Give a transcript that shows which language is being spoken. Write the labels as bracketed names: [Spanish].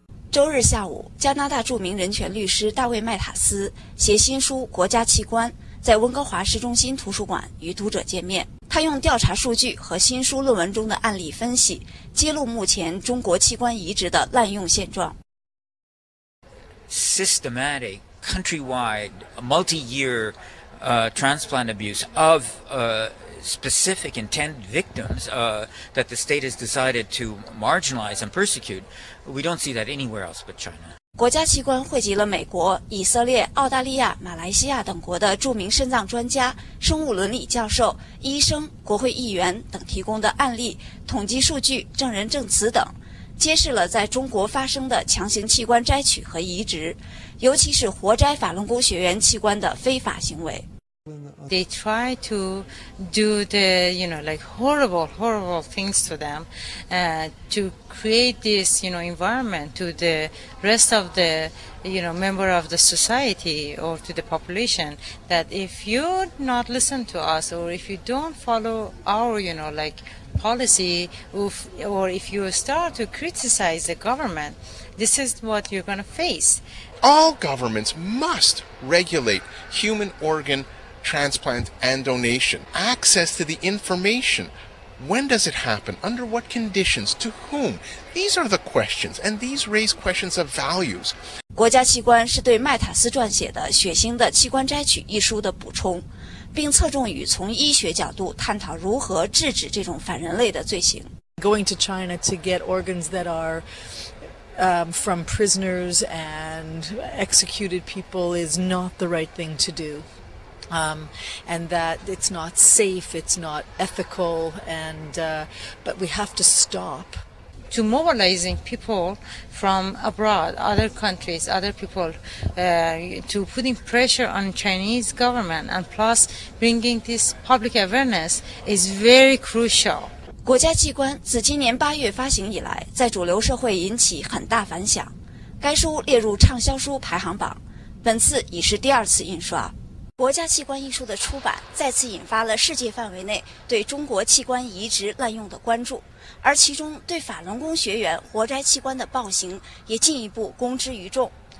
[Chinese] 周日下午，加拿大著名人权律师大卫·麦塔斯携新书《国家器官》在温哥华市中心图书馆与读者见面。他用调查数据和新书论文中的案例分析，揭露目前中国器官移植的滥用现状。 [English] Systematic, countrywide, multi-year, transplant abuse of, specific intended victims, that the state has decided to marginalize and persecute. We don't see that anywhere else but China. [Chinese] 国家器官汇集了美国、以色列、澳大利亚、马来西亚等国的著名肾脏专家、生物伦理教授、医生、国会议员等提供的案例、统计数据、证人证词等，揭示了在中国发生的强行器官摘取和移植，尤其是活摘法轮功学员器官的非法行为。 [English] They try to do the, you know, like horrible, horrible things to them, to create this, you know, environment to the rest of the, you know, member of the society or to the population that if you not listen to us or if you don't follow our, you know, like policy or if you start to criticize the government, this is what you're going to face. All governments must regulate human organ transplant and donation, access to the information. When does it happen? Under what conditions? To whom? These are the questions, and these raise questions of values. [Chinese] 国家器官是对麦塔斯撰写的《血腥的器官摘取》一书的补充，并侧重于从医学角度探讨如何制止这种反人类的罪行。 [English] Going to China to get organs that are from prisoners and executed people is not the right thing to do. And that it's not safe, it's not ethical, and but we have to stop. To mobilizing people from abroad, other countries, other people, to putting pressure on Chinese government and plus bringing this public awareness is very crucial. [Chinese] 国家器官自今年8月发行以来，在主流社会引起很大反响。该书列入畅销书排行榜，本次已是第二次印刷。国家器官一书的出版，再次引发了世界范围内对中国器官移植滥用的关注，而其中对法轮功学员活摘器官的暴行也进一步公之于众。